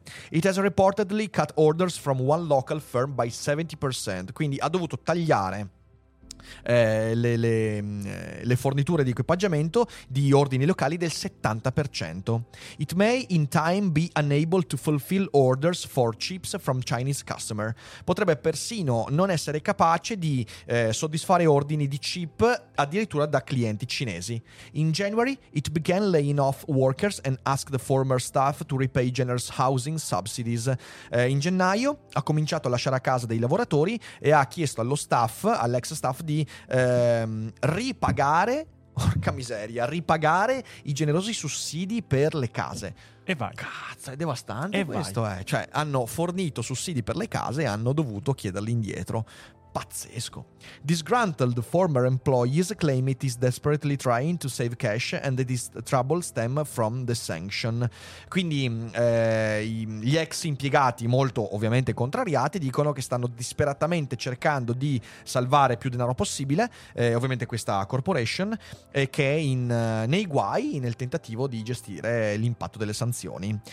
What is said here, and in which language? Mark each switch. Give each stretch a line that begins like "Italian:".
English: It has reportedly cut orders from one local firm by 70%,
Italian: quindi ha dovuto tagliare le forniture di equipaggiamento di ordini locali del 70%.
English: It may in time be unable to fulfill orders for chips from Chinese customer.
Italian: Potrebbe persino non essere capace di soddisfare ordini di chip addirittura da clienti cinesi.
English: In January, it began laying off workers and asked the former staff to repay generous housing subsidies.
Italian: In gennaio ha cominciato a lasciare a casa dei lavoratori e ha chiesto allo staff, all'ex staff, di ripagare, porca miseria, ripagare i generosi sussidi per le case. E vai. Cazzo, è devastante e questo, vai. Cioè, hanno fornito sussidi per le case e hanno dovuto chiederli indietro. Pazzesco.
English: Disgruntled former employees claim it is desperately trying to save cash and that this trouble stem from the sanction.
Italian: Quindi gli ex impiegati, molto ovviamente contrariati, dicono che stanno disperatamente cercando di salvare più denaro possibile, ovviamente questa corporation, che è nei guai nel tentativo di gestire l'impatto delle sanzioni.